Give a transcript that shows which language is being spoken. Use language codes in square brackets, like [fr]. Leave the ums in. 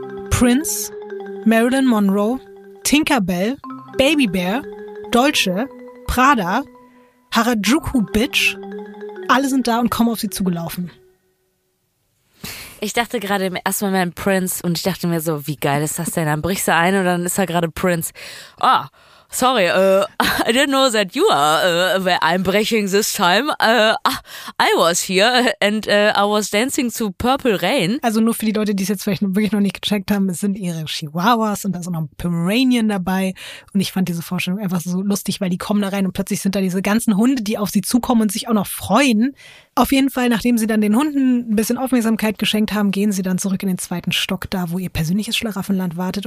[de] Prince, Marilyn Monroe, Tinkerbell, Baby Bear, Deutsche, Prada, Harajuku Bitch, alle sind da und kommen auf sie zugelaufen. Ich dachte gerade im ersten Moment Prince und ich dachte mir so, wie geil ist das denn? Dann brichst du ein und dann ist er gerade Prince. [en] Oh, sorry, uh, I didn't know that you are Where I'm uh, breaking this time. Uh, I was here and uh, I was dancing to Purple Rain. [de] Also nur für die Leute, die es jetzt vielleicht noch, wirklich noch nicht gecheckt haben, es sind ihre Chihuahuas und da ist auch noch ein Pomeranian dabei. Und ich fand diese Vorstellung einfach so lustig, weil die kommen da rein und plötzlich sind da diese ganzen Hunde, die auf sie zukommen und sich auch noch freuen. Auf jeden Fall, nachdem sie dann den Hunden ein bisschen Aufmerksamkeit geschenkt haben, gehen sie dann zurück in den zweiten Stock, da wo ihr persönliches Schlaraffenland wartet.